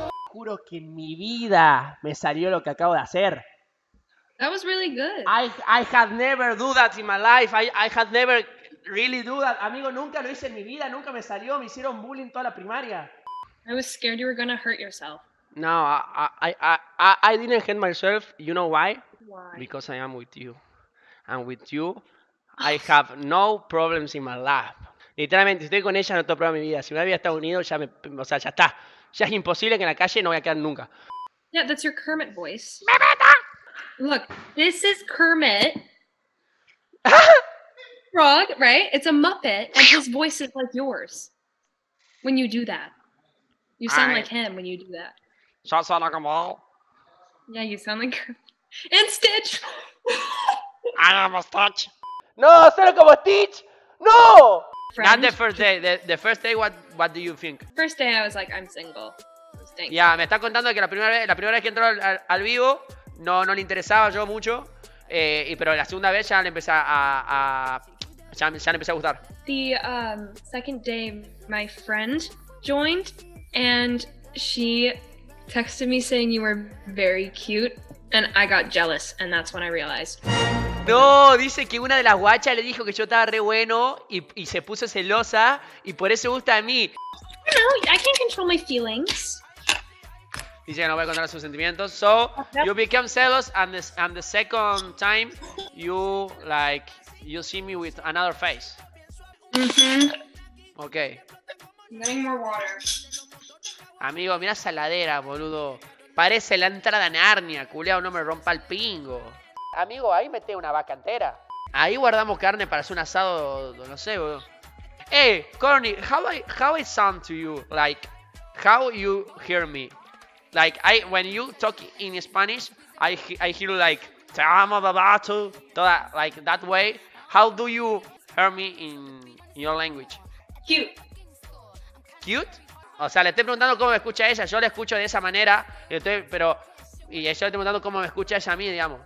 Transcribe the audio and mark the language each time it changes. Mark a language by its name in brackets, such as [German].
[Spanish] Juro que en mi vida me salió lo que acabo de hacer. [English] That was really good. I had never do that in my life. I had never really do that. [Spanish] Amigo, nunca lo hice en mi vida. Nunca me salió. Me hicieron bullying toda la primaria. [English] I was scared you were gonna hurt yourself. No, I didn't hate myself. You know why? Because I am with you. And with you, I have no problems in my life. [Spanish] Literalmente, si estoy con ella, no tengo problema en mi vida. Si me voy a Estados Unidos, ya me... O sea, ya está. Ya es imposible que en la calle no voy a quedar nunca. [English] Yeah, that's your Kermit voice. [Spanish] ¡Me meta! [English] Look, this is Kermit. Frog, right? It's a Muppet, and his voice is like yours. When you do that. You sound like him when you do that. So I sound like a mall. Yeah, you sound like and Stitch. I am a Stitch. No, sound like a Stitch. No. French. Not the first day. The first day. What do you think? First day, I was like, I'm single. Thanks. [Spanish] Yeah, me está contando que la primera vez que entró al vivo no le interesaba yo mucho, pero la segunda vez ya le empecé a gustar. [English] The second day, my friend joined and she texted me saying you were very cute and I got jealous and that's when I realized. [Spanish] No, dice que una de las guachas le dijo que yo estaba re bueno y se puso celosa y por eso gusta a mí. [English] No, I can't control my feelings. [Spanish] Dice que no voy a controlar sus sentimientos. [English] So, you become celos and the second time you see me with another face. Mm-hmm. Okay. Getting more water. [Spanish] Amigo, mira esa ladera, boludo. Parece la entrada a Narnia, culiao, no me rompa el pingo. Amigo, ahí meté una vaca entera. Ahí guardamos carne para hacer un asado, no sé, boludo. [English] Hey, Corny, how I sound to you? Like, how you hear me? Like, when you talk in Spanish, I hear like, [Spanish] te amo, babato, toda, [English] like, that way. How do you hear me in your language? Cute. Cute? [Spanish] O sea, le estoy preguntando cómo me escucha ella. Yo le escucho de esa manera. Y yo le estoy preguntando cómo me escucha ella a mí, digamos.